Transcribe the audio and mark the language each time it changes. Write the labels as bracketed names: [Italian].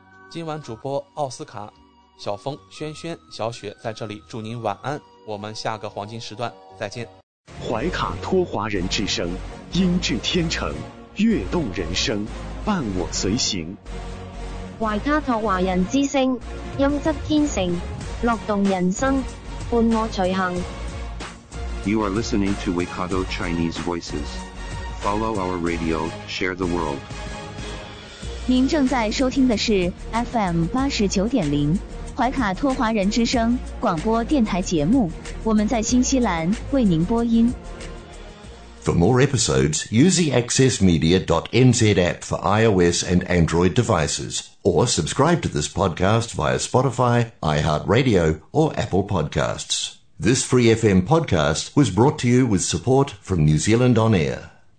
[Chinese] 今晚主播奥斯卡、小峰、轩轩、小雪在这里祝您晚安，我们下个黄金时段再见。怀卡托华人之声，音质天成，悦动人生，伴我随行。怀卡托华人之声，音质天成，乐动人生，伴我随行。 [English] You are listening to Waikato Chinese Voices. Follow our radio, share the world. [Chinese] 您正在收听的是 FM89.0怀卡托华人之声广播电台节目，我们在新西兰为您播音。 [English] For more episodes, use the accessmedia.nz app for iOS and Android devices, or subscribe to this podcast via Spotify, iHeartRadio, or Apple Podcasts. This free FM podcast was brought to you with support from New Zealand On Air.